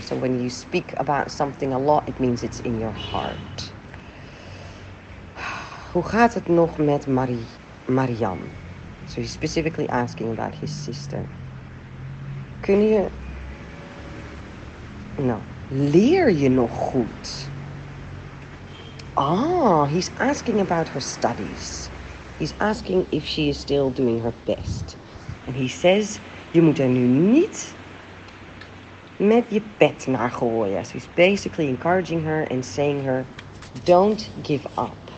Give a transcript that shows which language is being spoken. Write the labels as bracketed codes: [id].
[en] So when you speak about something a lot, it means it's in your heart. [nl] Hoe gaat het nog met Marianne? [en] So he's specifically asking about his sister. [nl] Kun je. Nou, leer je nog goed? [en] Ah, he's asking about her studies. He's asking if she is still doing her best. And he says, [nl] je moet er nu niet met je pet naar gooien. [en] So he's basically encouraging her and saying her, don't give up.